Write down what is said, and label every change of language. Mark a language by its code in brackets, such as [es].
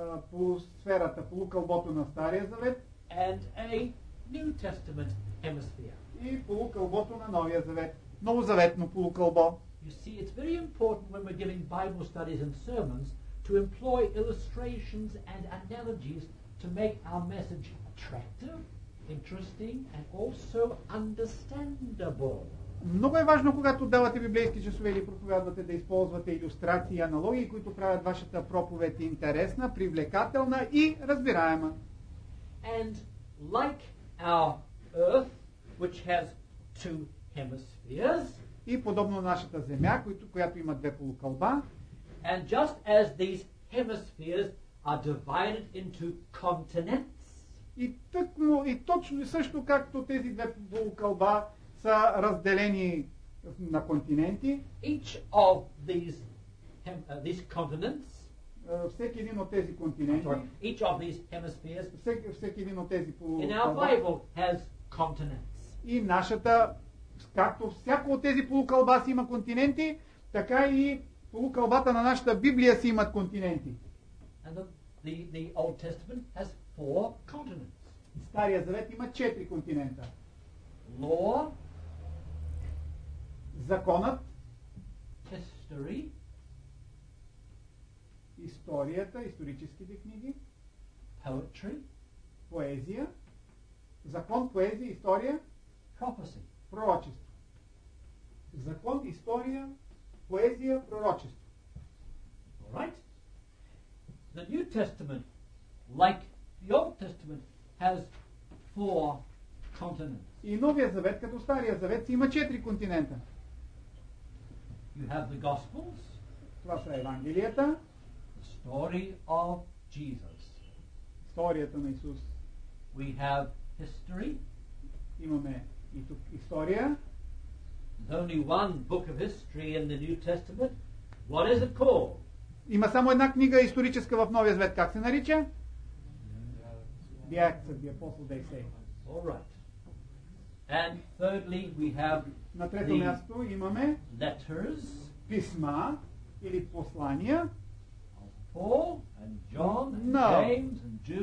[bg] По сферата, полукълбото на Стария Завет. [en] And a New Testament hemisphere. [bg] И полукълбото на Новия Завет. Новозаветно полукълбо. [en] You see, it's very important when we're giving Bible studies and sermons to employ illustrations and analogies to make our message attractive, interesting, and also understandable. [bg] Много е важно, когато давате библейски часове или проповядвате, да използвате илюстрации и аналогии, които правят вашата проповед интересна, привлекателна и разбираема. [en] And like our earth, which has two hemispheres, [bg] и подобно на нашата земя, която има две полукълба. [en] And just as these hemispheres are divided into continents. [bg] И точно също както тези две полукълба са разделени на континенти. [en] Each of these continents. [bg] всеки един от тези континенти, [en] each of these hemispheres, [bg] всеки един от тези по [en] in our Bible has continents. [bg] И нашата, както всяко от тези полукълба си има континенти, така и полукълбата на нашата Библия си имат континенти. [en] And the Old Testament has four continents. [bg] Стария Завет има четири континента. [en] Law, [bg] законът, [en] history, [bg] историята, историческите книги, [en] poetry, [bg] поезия, закон, поезия, история, [en] prophecy, [bg] пророчество. Закон, история, поезия, пророчество. [en] All right. The New Testament, like the Old Testament, has four continents. [bg] И Новия Завет, като Стария Завет, има четири континента. [en] You have the Gospels. [bg] Това са Евангелията. [en] The story of Jesus. [bg] Историята на Исус. [en] We have history. [bg] Имаме и тук история. [en] There's only one book of history in the New Testament. What is it called? [bg] Има само една книга историческа в Новия Завет. Как се нарича? [en] The Acts of the Apostles, they say. All right. And thirdly, we have [bg] на трето място имаме [en] letters, [bg] писма или послания [en] of Paul and John and [bg] на [en] James and Jude.